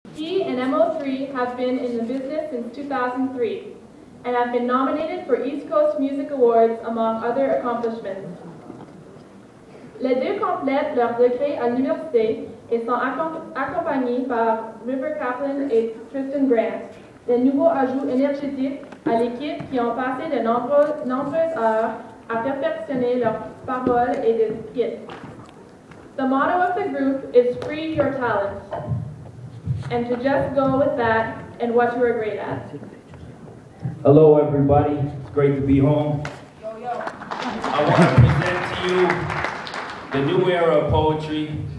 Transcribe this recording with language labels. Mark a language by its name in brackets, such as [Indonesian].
[English] MO3 have been in the business since 2003 and have been nominated for East Coast Music Awards, among other accomplishments. [French] Les deux complètent leur degré à l'université et sont accompagnés par River Caplin et Tristan Grant, des nouveaux ajouts énergétiques à l'équipe qui ont passé de nombreuses heures à perfectionner leurs paroles et des skits. [English] The motto of the group is free your talent, and to just go with that and what you are great at. Hello everybody, it's great to be home. Yo, yo. I want to present to you the new era of poetry.